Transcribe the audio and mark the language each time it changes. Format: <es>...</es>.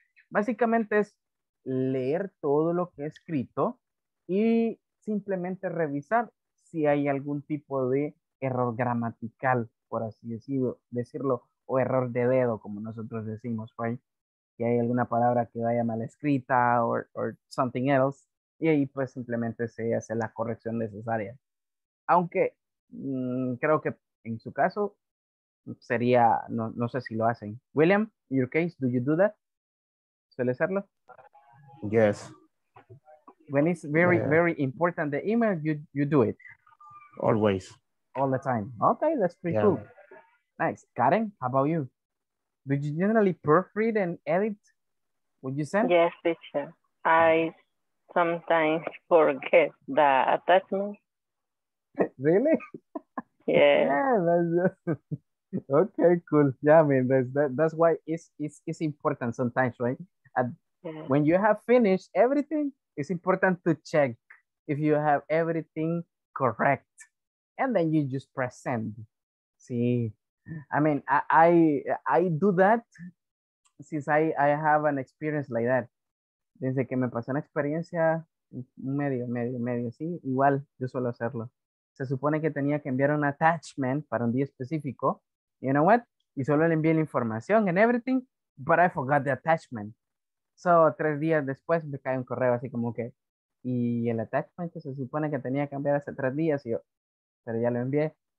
<es>Básicamente es leer todo lo que he escrito y simplemente revisar si hay algún tipo de error gramatical, por así decirlo, o error de dedo, como nosotros decimos,</es> <en>right?</en> <es>Que hay alguna palabra que vaya mal escrita</es> <en>or something else,</en> <es>y ahí pues simplemente se hace la corrección necesaria. Aunque creo que en su caso sería, no sé si lo hacen.</es> <en>William, in your case, do you do that?</en> <es>¿Suele hacerlo?</es> <en>Yes. When it's very, yeah, very important, the email, you do it. Always. All the time. Okay, that's pretty yeah, cool. Nice. Karen, how about you? Do you generally proofread and edit what you send? Yes, teacher. I sometimes forget the attachment. Really? Yeah. Yeah, that's just... Okay, cool. Yeah, I mean, that's why it's important sometimes, right? And yeah, when you have finished everything, it's important to check if you have everything correct. And then you just press send. See, I mean, I do that since I have an experience like that.</en> <es>Desde que me pasó una experiencia, medio, sí, igual yo suelo hacerlo. Se supone que tenía que enviar un attachment para un día específico.</es> <en>You know what?</en> <es>Y solo le envié la información</es> <en>and everything,</en> <es>but I forgot the attachment. So, 3 días después me cae un correo así como que, y el attachment que se supone que tenía que cambiar hace 3 días, y yo, pero ya lo envié.</es>